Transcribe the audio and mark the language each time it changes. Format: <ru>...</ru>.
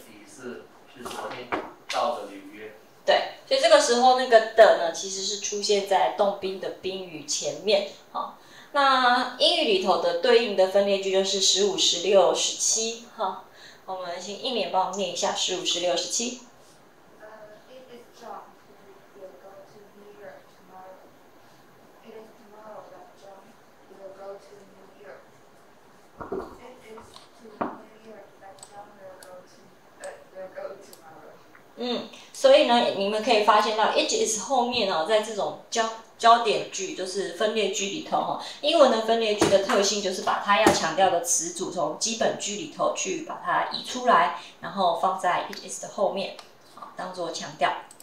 <zh>李四是昨天到的纽约。对，所以这个时候那个的呢，其实是出现在动宾的宾语前面，哈。那英语里头的对应的分裂句就是十五、十六、十七，哈。我们先一连帮我念一下十五、十六、十七。</zh> <en>It is John who will go to New York tomorrow. It is tomorrow that John will go to New York. It is to New York that John will go tomorrow.</en> <zh>嗯，所以呢，你们可以发现到 it is 后面哦，在这种焦点句，就是分裂句里头哈，英文的分裂句的特性就是把它要强调的词组从基本句里头去把它移出来，然后放在 it is 的后面，好，当做强调。</zh>